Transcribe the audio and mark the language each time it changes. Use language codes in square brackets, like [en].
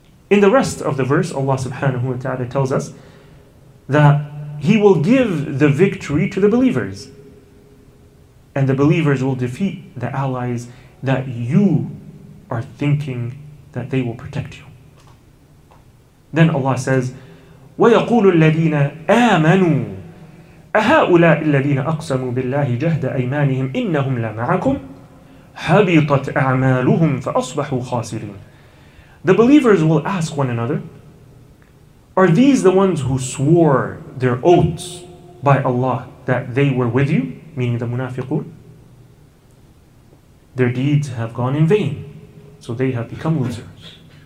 [en] In the rest of the verse, Allah subhanahu wa ta'ala tells us that He will give the victory to the believers, and the believers will defeat the allies that you are thinking that they will protect you. Then Allah says, [ar] وَيَقُولُ الَّذِينَ آمَنُوا أَهَؤُلَاءِ الَّذِينَ أَقْسَمُوا بِاللَّهِ جَهْدَ أَيْمَانِهِمْ إِنَّهُمْ لَمَعَكُمْ حَبِطَتْ أَعْمَالُهُمْ فَأَصْبَحُوا خَاسِرِينَ. [en] The believers will ask one another, are these the ones who swore their oaths by Allah that they were with you, meaning the munafiqun? Their deeds have gone in vain, so they have become losers.